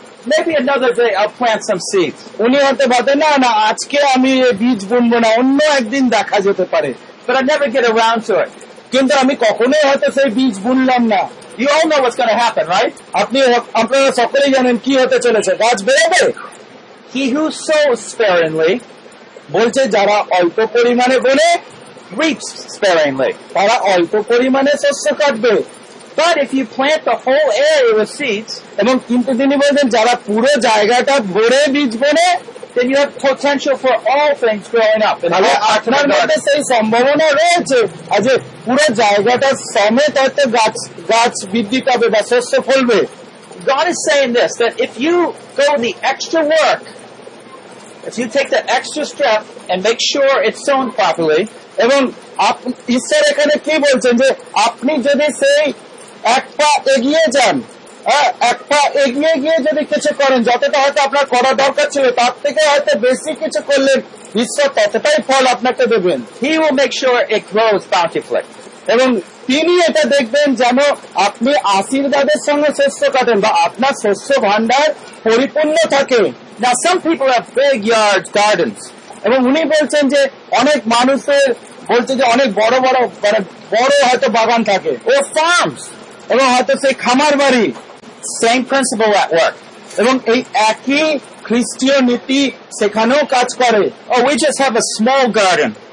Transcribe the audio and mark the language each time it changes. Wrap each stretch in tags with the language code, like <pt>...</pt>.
<en>Maybe another day I'll plant some seeds.</en> <bn>উনি হতে পারে না না আজকে আমি বীজ বুনবো না, অন্য একদিন দেখা যেতে পারে.</bn> <en>But I never get around to it.</en> <bn>কিন্তু আমি কখনোই হয়তো সেই বীজ বুনলাম না.</bn> <en>You all know what's going to happen, right?</en> <bn>আপনি আপনারা সকলেই জানেন কি হতে চলেছে, গাছ বেরোবে.</bn> <en>He who sows sparingly,</en> <bn>বলছে যারা অল্প পরিমাণে বোনে,</bn> <en>reaps sparingly,</en> <bn>তারা অল্প পরিমাণে শস্য কাটবে.</bn> <en>But if you plant the whole area with seeds,</en> <bn>এবং কিন্তু তিনি বলছেন যারা পুরো জায়গাটা ভরে বীজ বোনে,</bn> <en>then you have potential for all things growing up.</en> <bn>তাহলে আপনার মধ্যে সেই সম্ভাবনা রয়েছে আজ পুরো জায়গাটা সমেত হয়তো গাছ গাছ বৃদ্ধি পাবে বা শস্য ফলবে.</bn> <en>God is saying this, that if you go the extra work, if you take the extra step and make sure it's sown properly,</en> <bn>এবং ঈশ্বর এখানে কি বলছেন যে আপনি যদি সেই এক পা এগিয়ে যান, এক পা এগিয়ে গিয়ে যদি কিছু করেন, যতটা হয়তো আপনার করা দরকার ছিল তার থেকে হয়তো বেশি কিছু করলেন, ঈশ্বর ততটাই ফল আপনাকে দেবেন.</bn> <en>He will make sure it grows bountifully.</en> <bn>এবং তিনি এটা দেখবেন যেন আপনি আশীর্বাদের সঙ্গে শস্য কাটেন বা আপনার শস্য ভান্ডার পরিপূর্ণ থাকে.</bn> <en>Now some people have big yard gardens.</en> <bn>এবং উনি বলছেন যে অনেক মানুষের বলছে যে অনেক বড় বড় মানে বড় হয়তো বাগান থাকে,</bn> <en>ও ফার্মস,</en> <bn>এবং হয়তো সেই খামার বাড়ি.</bn> <en>Same principle at work.</en> <bn>এবং এই একই খ্রিস্টীয় নীতি সেখানেও কাজ করে.</bn> <en>Or we just have a small garden.</en>